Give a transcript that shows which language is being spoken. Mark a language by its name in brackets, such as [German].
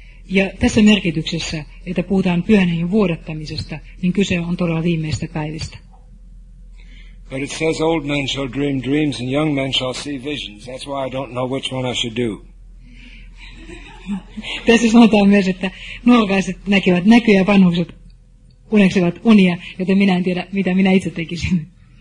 [Finnish] Ja tässä merkityksessä, että puhutaan pyhän hengen vuodattamisesta, niin kyse on todella viimeistä päivistä. [English] But it says old men shall dream dreams and young men shall see visions. That's why I don't know which one I should do. [Finnish] Tässä sanotaan myös, että nuorukaiset näkevät näkyjä ja vanhukset uneksivat unia, joten minä en tiedä, mitä minä itse tekisin.